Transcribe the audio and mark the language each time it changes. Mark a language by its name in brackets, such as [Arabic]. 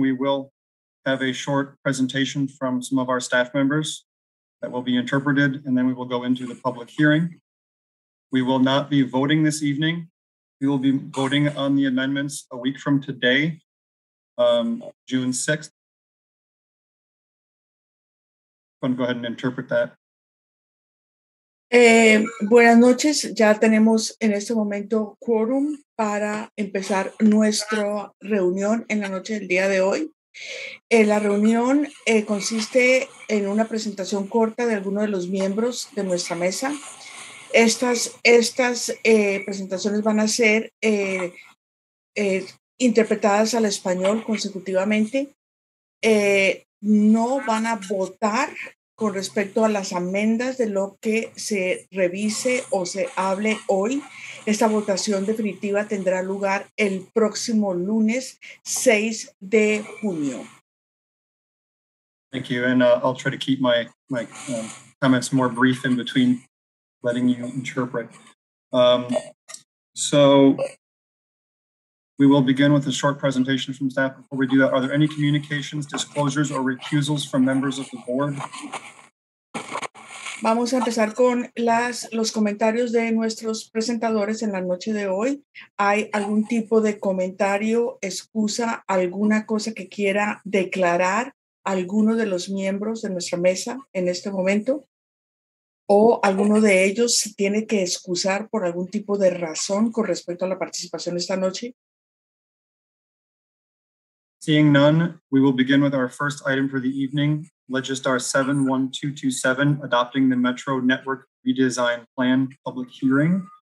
[English] We will have a short presentation from some of our staff members that will be interpreted, and then we will go into the public hearing. We will not be voting this evening. We will be voting on the amendments a week from today, June 6th. I'm going to go ahead and interpret that. [Spanish] Buenas noches. Ya tenemos en este momento quórum para empezar nuestra reunión en la noche del día de hoy. La reunión consiste en una presentación corta de algunos de los miembros de nuestra mesa. Estas presentaciones van a ser interpretadas al español consecutivamente. No van a votar con respecto a las enmiendas de lo que se revise o se hable hoy. Esta votación definitiva tendrá lugar el próximo lunes 6 de junio. [English] Thank you, and I'll try to keep my comments more brief in between letting you interpret. So we will begin with a short presentation from staff. Before we do that, are there any communications, disclosures, or recusals from members of the board? [Spanish] Vamos a empezar con los comentarios de nuestros presentadores en la noche de hoy. ¿Hay algún tipo de comentario, excusa, alguna cosa que quiera declarar alguno de los miembros de nuestra mesa en este momento? ¿O alguno de ellos tiene que excusar por algún tipo de razón con respecto a la participación esta noche? [English] Seeing none, we will begin with our first item for the evening, Legistar 71227, adopting the Metro Network Redesign Plan public hearing.